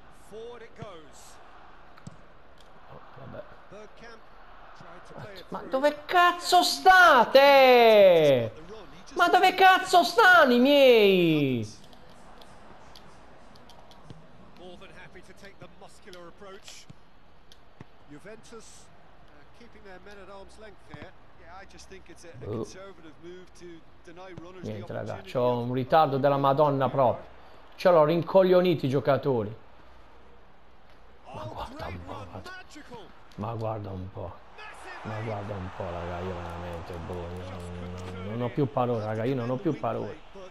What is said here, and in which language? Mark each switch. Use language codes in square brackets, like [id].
[en] Forward it goes. [it] Oh, vabbè. [en] Bergkamp tried to play it. [it] Ma dove cazzo state? Ma dove cazzo stanno i miei? [en] More than happy to take the muscular approach. Juventus keeping their men at arm's length here. Yeah, I just think it's a conservative move to deny runners. [it] Niente, raga, c'ho un ritardo della madonna proprio. Ce l'ho rincoglioniti i giocatori. Ma guarda un po', guarda. Ma guarda un po'. Ma guarda un po', raga, io veramente non ho più parole, raga, io non ho più parole.